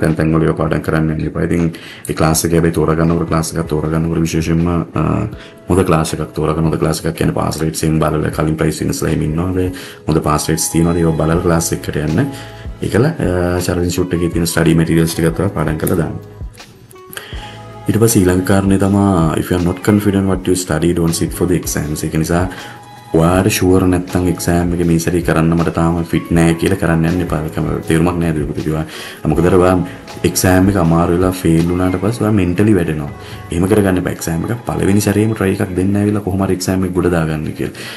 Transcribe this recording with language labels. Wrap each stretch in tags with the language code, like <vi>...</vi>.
<si>තැන් තැන් වල ඒවා පාඩම් කරන්න යන්න එපා. ඉතින් ඒ ක්ලාස් එක හැබැයි තෝරගන්නකොට ක්ලාස් එකක් තෝරගන්නකොට විශේෂයෙන්ම හොඳ ක්ලාස් එකක් තෝරගන්න. හොඳ ක්ලාස් එකක් කියන්නේ පාස් රේට්ස් එහෙම බලලා කලින් ප්‍රයිස් වෙන ස්ලයිම් ඉන්නවා. ඒ හොඳ පාස් රේට්ස් තියෙනවා. ඒක බලලා ක්ලාස් එකට යන්න. ඒකල චැලෙන්ජ් ෂූට් එකේ තියෙන ස්ටඩි මැටීරියල්ස් ටිකත් තමයි පාඩම් කරලා දාන්න. ඊට පස්සේ ඊළඟ කාරණේ තමයි</si> <en>if you are not confident what you study don't sit for the exams.</en> <si>ඒක නිසා ඔයාට ෂුවර් නැත්නම් එක්සෑම් එක මේ සැරි කරන්න මට තාම ෆිට් නැහැ කියලා කරන්න යන්න එපා. ඒක තේරුමක් නැහැ දුවේ පුතේ. ඔයා මොකද කරවා එක්සෑම් එක අමාරු වෙලා ෆේල් වුණාට පස්සේ ඔයා මෙන්ටලි වැඩෙනවා. එහෙම කරගන්න එපා. එක්සෑම් එක පළවෙනි සැරේම ට්‍රයි එකක් දෙන්න ඇවිල්ලා කොහොම හරි එක්සෑම් එක ගොඩ දාගන්න කියලා.</si>